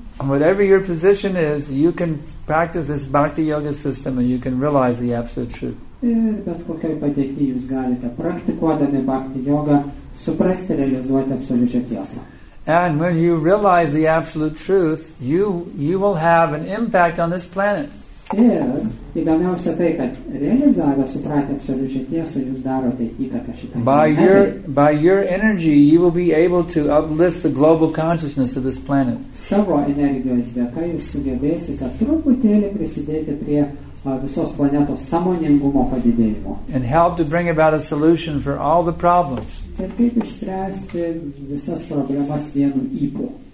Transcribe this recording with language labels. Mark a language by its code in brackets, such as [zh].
[en] Whatever your position is, you can practice this Bhakti Yoga system and you can realize the absolute truth. [lt] Ir bet kokiai padėti jūs galite praktikuodami bhakti jogą suprasti, realizuoti absoliučią tiesą. [en] And when you realize the absolute truth, you will have an impact on this planet. [lt] Ir įdomiausia tai, kad realizavę supratę absoliučią tiesą, jūs darote įtaką šitą. [en] By your energy, you will be able to uplift the global consciousness of this planet. [lt] Savo energijos dėka jūs sugebėsite truputėlį prisidėti prie visos planetos sąmoningumo padidėjimo. [en] And help to bring about a solution for all the problems. [lt] Ir kaip išspręsti visas problemas vienu ypu.